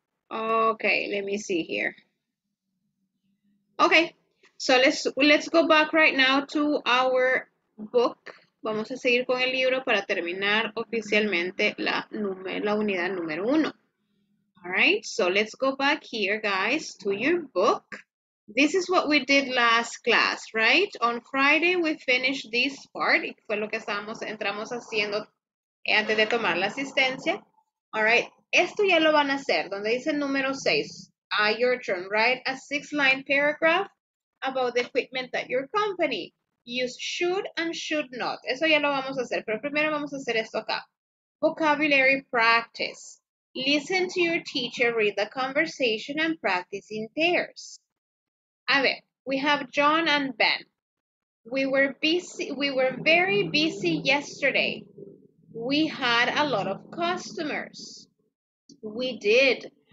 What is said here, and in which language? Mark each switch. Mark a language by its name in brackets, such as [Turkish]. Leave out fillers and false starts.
[English] Okay, let me see here. Okay, so let's go back right now to our book. [Spanish] Vamos a seguir con el libro para terminar oficialmente la unidad número uno. [English] All right, so let's go back here, guys, to your book. This is what we did last class, right? On Friday, we finished this part. [Spanish] Y fue lo que entramos haciendo antes de tomar la asistencia. All right, esto ya lo van a hacer. Donde dice número 6, [English] your turn, write a 6-line paragraph about the equipment at your company. Use should and should not. [Spanish] Eso ya lo vamos a hacer, pero primero vamos a hacer esto acá. [English] Vocabulary practice. Listen to your teacher, read the conversation, and practice in pairs. A ver, we have John and Ben. We were very busy yesterday. We had a lot of customers. We did.